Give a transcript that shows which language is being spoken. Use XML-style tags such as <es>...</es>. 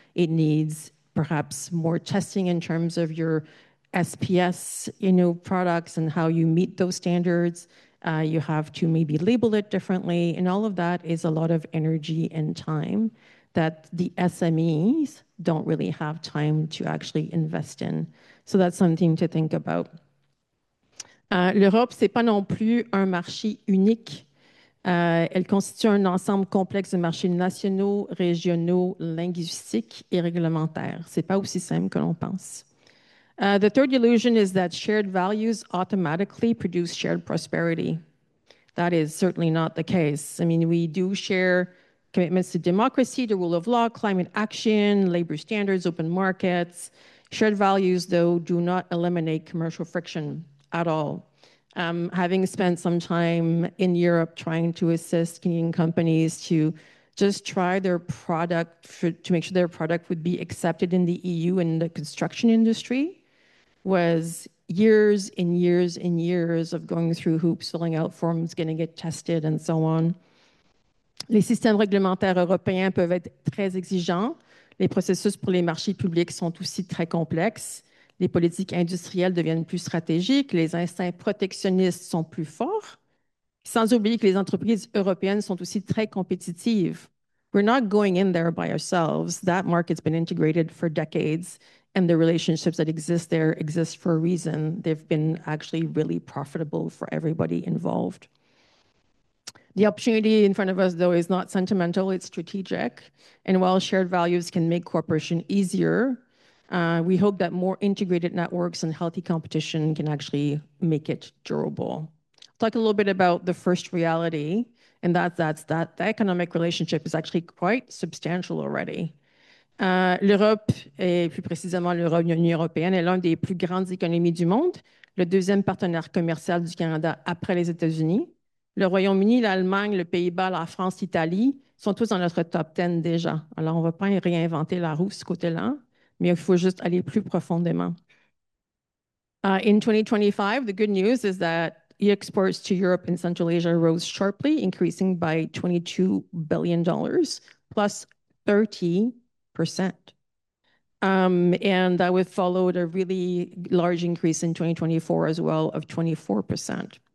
<en>It needs perhaps more testing in terms of your SPS, you know, products and how you meet those standards. You have to maybe label it differently. And all of that is a lot of energy and time that the SMEs don't really have time to actually invest in. So that's something to think about.</en> <fr>L'Europe, c'est pas non plus un marché unique. Elle constitue un ensemble complexe de marchés nationaux, régionaux, linguistiques et réglementaires. C'est pas aussi simple que l'on pense.</fr> <en>The third illusion is that shared values automatically produce shared prosperity. That is certainly not the case. I mean, we do share commitments to democracy, the rule of law, climate action, labor standards, open markets. Shared values, though, do not eliminate commercial friction at all. Having spent some time in Europe trying to assist Canadian companies to just try their product to make sure their product would be accepted in the EU and the construction industry, was years and years and years of going through hoops, filling out forms, getting it tested, and so on.</en> <fr>Les systèmes réglementaires européens peuvent être très exigeants. Les processus pour les marchés publics sont aussi très complexes. Les politiques industrielles deviennent plus stratégiques. Les instincts protectionnistes sont plus forts. Sans oublier que les entreprises européennes sont aussi très compétitives.</fr> <en>We're not going in there by ourselves. That market's been integrated for decades, and the relationships that exist there exist for a reason. They've been actually really profitable for everybody involved. The opportunity in front of us, though, is not sentimental, it's strategic. And while shared values can make cooperation easier, we hope that more integrated networks and healthy competition can actually make it durable. I'll talk a little bit about the first reality, and that's that the economic relationship is actually quite substantial already.</en> <fr>L'Europe, et plus précisément l'Union européenne, est l'une des plus grandes économies du monde, le deuxième partenaire commercial du Canada après les États-Unis. Le Royaume-Uni, l'Allemagne, le Pays-Bas, la France, l'Italie sont tous dans notre top 10 déjà. Alors, on ne va pas réinventer la roue ce côté-là, mais il faut juste aller plus profondément.</fr> <en>In 2025, the good news is that exports to Europe and Central Asia rose sharply, increasing by $22 billion, plus 30%. And that would follow a really large increase in 2024 as well of 24%.</en>